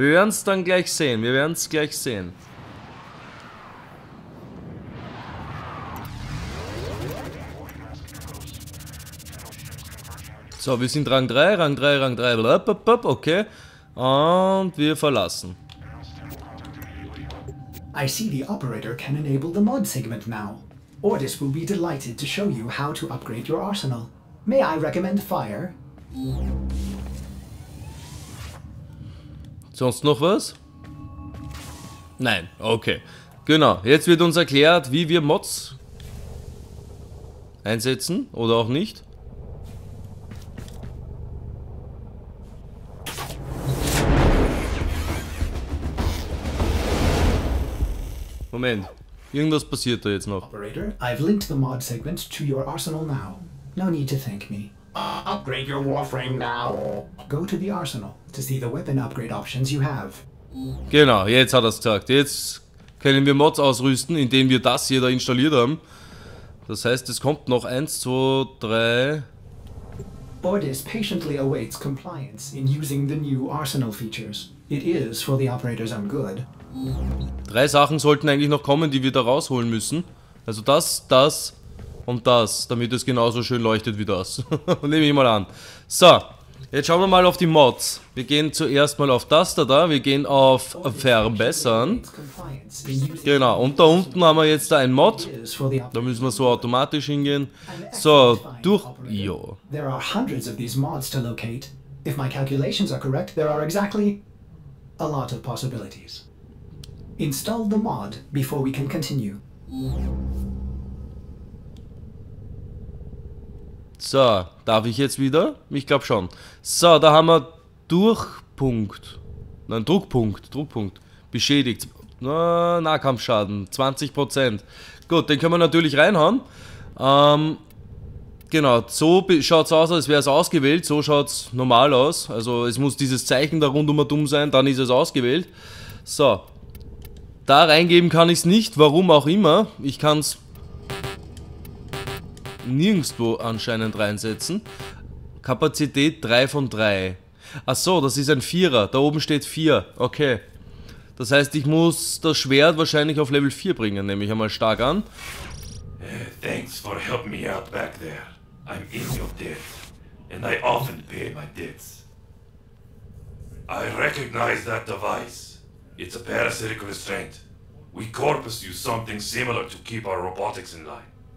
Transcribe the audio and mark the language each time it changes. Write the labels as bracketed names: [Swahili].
[German] Wir werden es dann gleich sehen. Wir werden es gleich sehen. So, wir sind Rang 3, Rang 3, Rang 3. Okay. Und wir verlassen. [English] I see the operator can enable the mod segment now. Ordis will be delighted to show you how to upgrade your arsenal. May I recommend fire? [German] Sonst noch was? Nein, okay. Genau, jetzt wird uns erklärt, wie wir Mods einsetzen oder auch nicht. Moment, irgendwas passiert da jetzt noch. [English] Operator, I've linked the mod segment to your arsenal now. No need to thank me. Upgrade your warframe now. Go to the arsenal to see the weapon upgrade options you have. [German] Genau, jetzt hat er es gesagt. Jetzt können wir Mods ausrüsten, indem wir das hier da installiert haben. Das heißt, es kommt noch 1, 2, 3. [English] Bordis patiently awaits compliance in using the new arsenal features. It is for the operator's own good. [German] Drei Sachen sollten eigentlich noch kommen, die wir da rausholen müssen. Also das, das und das, damit es genauso schön leuchtet wie das. Nehme ich mal an. So, jetzt schauen wir mal auf die Mods. Wir gehen zuerst mal auf das da, wir gehen auf Verbessern. Genau, und da unten haben wir jetzt da ein Mod. Da müssen wir so automatisch hingehen. So, durch... Jo. [English] There are hundreds of these mods to locate. If my calculations are correct, there are exactly a lot of possibilities. Install the mod before we can continue. [German] So, darf ich jetzt wieder? Ich glaube schon. So, da haben wir Durchpunkt. Nein, Druckpunkt. Druckpunkt. Beschädigt. Na, Nahkampfschaden. 20%. Gut, den können wir natürlich reinhauen. Genau, so schaut es aus, als wäre es ausgewählt. So schaut es normal aus. Also, es muss dieses Zeichen da rundum sein. Dann ist es ausgewählt. So. Da reingeben kann ich es nicht, warum auch immer. Ich kann es nirgendwo anscheinend reinsetzen. Kapazität 3 von 3. Achso, das ist ein Vierer. Da oben steht 4. Okay. Das heißt, ich muss das Schwert wahrscheinlich auf Level 4 bringen. Nehme ich einmal stark an. [English] Thanks for helping me out back there. I'm in your debt. And I often pay my debts. I recognize that device. It's a parasitic restraint. We corpus use something similar to keep our robotics in line.